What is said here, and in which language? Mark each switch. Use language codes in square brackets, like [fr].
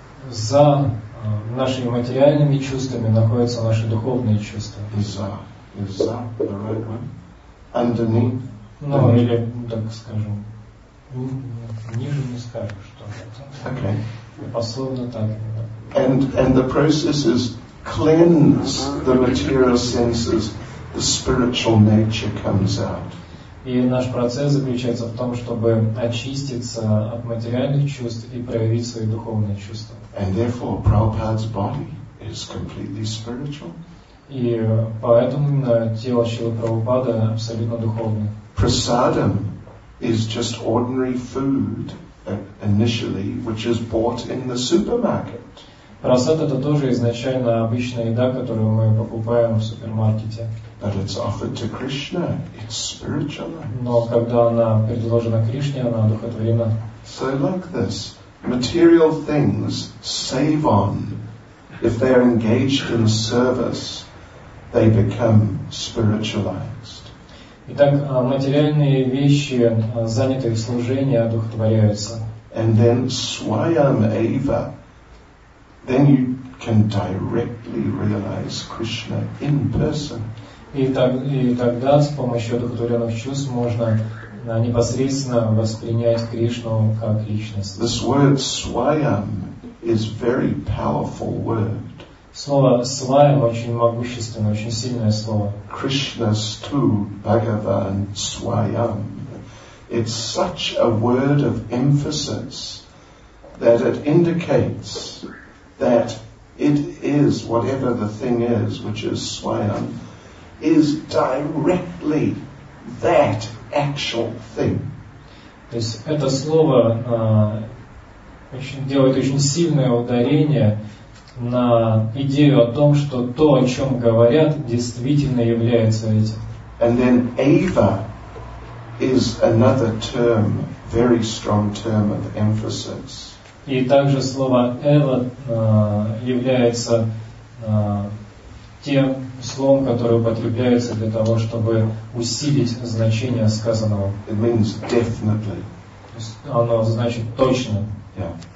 [ru] За нашими материальными чувствами находятся наши духовные чувства. [en] Is [ru] за [en] the right one? Underneath. [ru] Ну, или, так скажем, ниже не скажешь, что это. Пословно так. [en] And the process is cleanse the material senses, the spiritual nature comes out. [ru] И наш процесс заключается в том, чтобы очиститься от материальных чувств и проявить свои духовные чувства. [en] And therefore, Prabhupada's body is completely spiritual. [ru] И поэтому именно тело Шрилы Прабхупады абсолютно духовное. [en] Prasadam is just ordinary food initially, which is bought in the supermarket. [ru] Prasad это тоже изначально обычная еда, которую мы покупаем в супермаркете. [en] But it's offered to Krishna. It's spiritual. [ru] Но когда она предложена Кришне, она духотворена. [en] So like this, material things save on. If they are engaged in service, they become spiritualized. [ru] Итак, материальные вещи, занятые в служении, одухотворяются. [en] And then swayam eva, then you can directly realize Krishna in person. [ru] И тогда с помощью одухотворенных чувств можно непосредственно воспринять Кришну как личность. [en] This word swayam is very powerful word. [ru] Слово свайам очень могущественное, очень сильное слово. [sa] Krishna's tu Bhagavan swayam. [en] It's such a word of emphasis that it indicates that it is whatever the thing is, which is swayam, is directly that actual thing. [ru] То есть это слово очень делает очень сильное ударение на идею о том, что то, о чем говорят, действительно является этим. [en] And then eva is another term, very strong term of emphasis. [ru] И также слово эва является тем словом, которое употребляется для того, чтобы усилить значение сказанного. [en] It means definitely. [ru] Оно значит точно. [en] Yeah.